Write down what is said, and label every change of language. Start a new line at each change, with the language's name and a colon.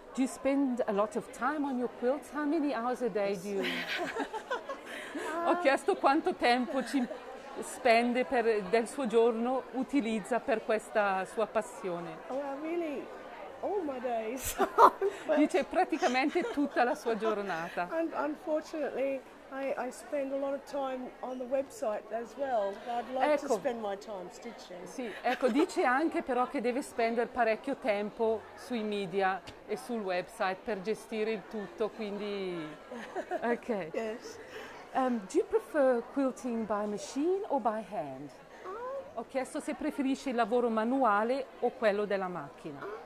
English: Do you spend a lot of time on your quilts? How many hours a day do you...
Italian: Ho chiesto quanto tempo ci spende del suo giorno, utilizza per questa sua passione.
English: Oh, really? All my days.
Italian: Dice praticamente tutta la sua giornata.
English: Unfortunately, I spend a lot of time on the website as well, but I'd like to spend my time stitching.
Italian: Sì, ecco, dice anche però che deve spendere parecchio tempo sui media e sul website per gestire il tutto, quindi... Ok.
English: Yes. Do you prefer quilting by machine or by hand?
Italian: Ho chiesto se preferisce il lavoro manuale o quello della macchina.